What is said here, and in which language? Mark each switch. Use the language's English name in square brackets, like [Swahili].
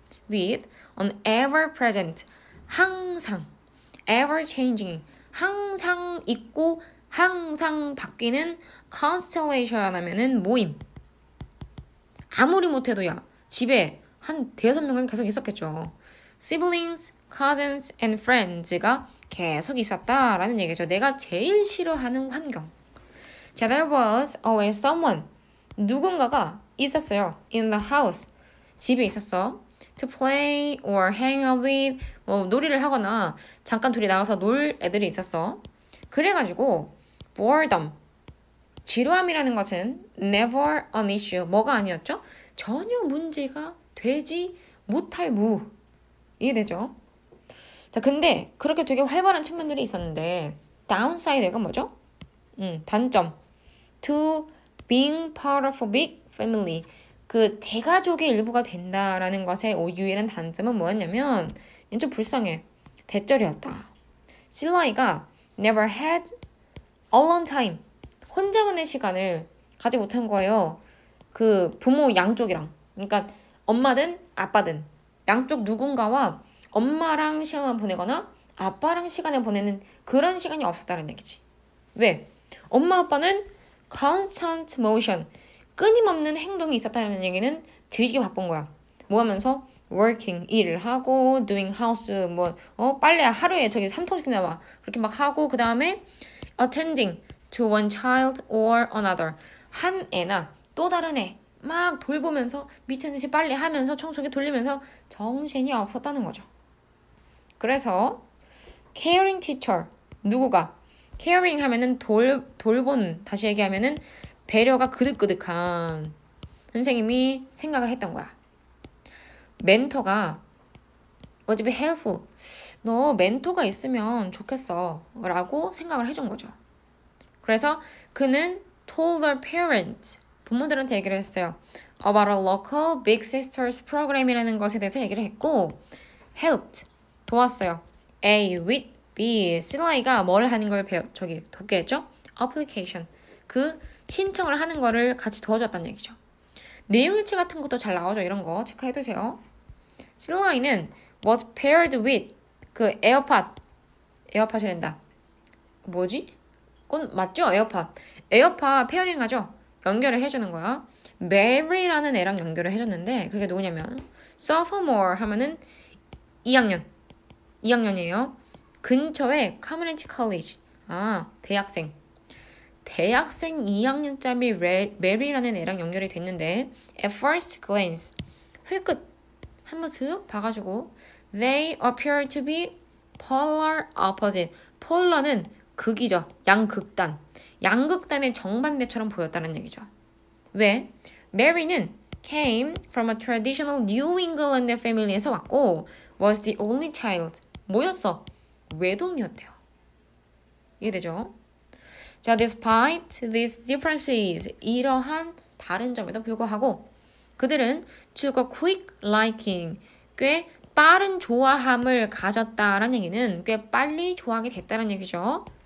[English] With an ever present, [Korean] 항상 [English] ever changing, [Korean] 항상 있고 항상 바뀌는 constellation이라면은 모임. 아무리 못해도 야, 집에 한 대여섯 명은 계속 있었겠죠. [English] Siblings, cousins, and friends [Korean] 가 계속 있었다라는 얘기죠. 내가 제일 싫어하는 환경. [English] There was always someone. [Korean] 누군가가 있었어요. [English] In the house. [Korean] 집에 있었어. [English] To play or hang out with. [Korean] 뭐, 놀이를 하거나 잠깐 둘이 나가서 놀 애들이 있었어. 그래가지고, boredom. 지루함이라는 것은 [English] never an issue. [Korean] 뭐가 아니었죠? 전혀 문제가 되지 못할 무. 이해되죠? 자, 근데 그렇게 되게 활발한 측면들이 있었는데 다운사이드가 뭐죠? 단점. [English] To being part of a big family. [Korean] 그 대가족의 일부가 된다라는 것의 유일한 단점은 뭐였냐면 좀 불쌍해. 대절이었다. [English] 실라이가 never had alone time. [Korean] 혼자만의 시간을 가지 못한 거예요. 그 부모 양쪽이랑. 그러니까 엄마든 아빠든 양쪽 누군가와 엄마랑 시간 보내거나 아빠랑 시간을 보내는 그런 시간이 없었다는 얘기지. 왜? 엄마 아빠는 [English] constant motion, [Korean] 끊임없는 행동이 있었다는 얘기는 되게 바쁜 거야. 뭐 하면서 working 일을 하고 [English] doing house [Korean] 뭐 빨래 하루에 저기 3통씩 나와. 그렇게 막 하고 그다음에 [English] attending to one child or another. [Korean] 한 애나 또 다른 애막 돌보면서 미친 듯이 빨래 하면서 청소기 돌리면서 정신이 없었다는 거죠. 그래서 [English] caring teacher [Korean] 누구가 caring 하면은 돌본 다시 얘기하면은 배려가 그득그득한 선생님이 생각을 했던 거야. [English] 멘토가 was be helpful. [Korean] 너 멘토가 있으면 좋겠어라고 생각을 해준 거죠. 그래서 그는 [English] told her parents [Korean] 부모들한테 얘기를 했어요. [English] About a local big sisters program [Korean] 이라는 것에 대해서 얘기를 했고 [English] helped [Korean] 도왔어요. [English] A with B. [Korean] 실라이가 뭘 하는 걸 저기 돕게 했죠? [English] Application. [Korean] 그 신청을 하는 거를 같이 도와줬다는 얘기죠. 내용일치 같은 것도 잘 나오죠. 이런 거 체크해 두세요. 실라이는 [English] was paired with [Korean] 그 에어팟 에어팟이란다. 뭐지? 그건 맞죠? 에어팟. 에어팟 페어링하죠? 연결을 해주는 거야. Mary라는 애랑 연결을 해줬는데, 그게 누구냐면, Sophomore 하면은 2학년. 2학년이에요. [English] 근처에 Community College. [Korean] 아, 대학생. 대학생 2학년짜리 Mary라는 애랑 연결이 됐는데, [English] At first glance. [Korean] 흘끗. 한번 슥 봐가지고. [English] They appear to be polar opposite. [Korean] 폴러는 극이죠. 양극단. 양극단의 정반대처럼 보였다는 얘기죠. 왜? [English] Mary는 came from a traditional New England family [Korean] 에서 왔고, [English] was the only child. [Korean] 뭐였어? 외동이었대요. 이해되죠? 자, [English] despite these differences, [Korean] 이러한 다른 점에도 불구하고, 그들은 [English] took a quick liking, [Korean] 꽤 빠른 좋아함을 가졌다라는 얘기는 꽤 빨리 좋아하게 됐다는 얘기죠.